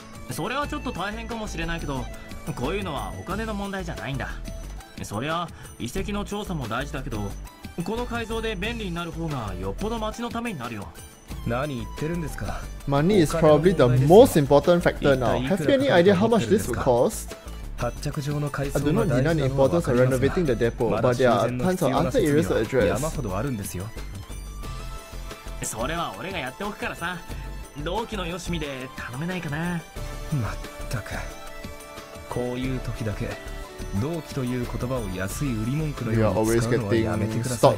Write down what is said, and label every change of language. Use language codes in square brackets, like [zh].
[ja] それはちょっと大変かもしれないけど、こういうのはお金の問題じゃないんだ。そりゃ遺跡の調査も大事だけど、この改造で便利になる方がよっぽど町のためになるよ。何言ってるんですか。 [en] Money is probably the most important factor now. Have you any idea how much this would cost? I do not deny the importance of renovating the depot, but there are tons of other areas to address. [ja] 山ほどあるんですよ。それは俺がやっておくからさ、同期のよしみで頼めないかな。まったく、こういう時だけ同期という言葉を安い売り文句のように使うのはやめてください。